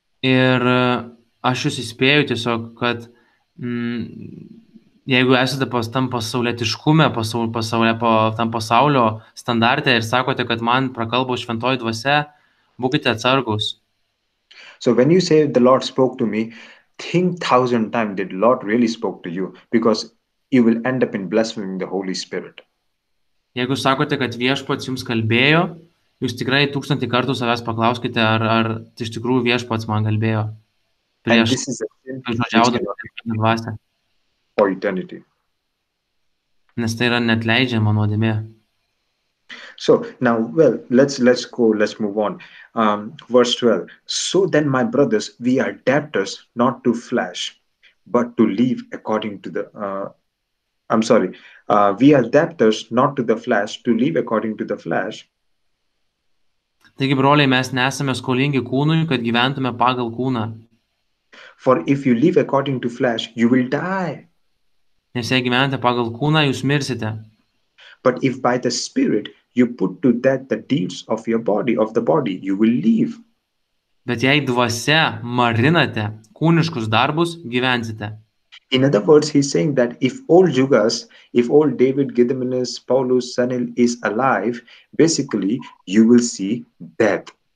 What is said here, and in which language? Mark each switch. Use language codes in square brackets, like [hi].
[lt] Ir aš jūs įspėjau tiesiog, kad jeigu esate pas tam pasaulietiškume, tam pasaulio standarte ir sakote, kad man prakalbo šventoji dvasia, būkite atsargus. [en] So when you say the Lord spoke to me, think 1,000 times did the Lord really spoke to you, because you will end up in blaspheming the Holy Spirit. [lt] Jeigu sakote, kad Viešpats jums kalbėjo, jūs tikrai 1,000 kartų savęs paklauskite, ar iš tikrųjų Viešpats man kalbėjo. Prieš žodžiaudą dvasę. [en] For eternity. [lt] Nes tai yra neatleidžiama nuodėmė. [en] So, now, well, let's move on. Verse 12. So then, my brothers, we are debtors not to flesh, but to live according to the... we are debtors not to the flesh, to live according to the flesh. [lt] Taigi, broliai, mes nesame skolingi kūnui, kad gyventume pagal kūną. [en] For if you live according to flesh, you will die. [lt] Nes jei gyvenate pagal kūną, jūs mirsite. [en] But if by the spirit you put to death the deeds of your body, of the body, you will live. [lt] Bet jei dvasia marinate kūniškus darbus, gyvensite. [en] In other words, he's saying that if old Jugas, if old David, Gediminas, Paulus, Sanil is alive, basically you will see death.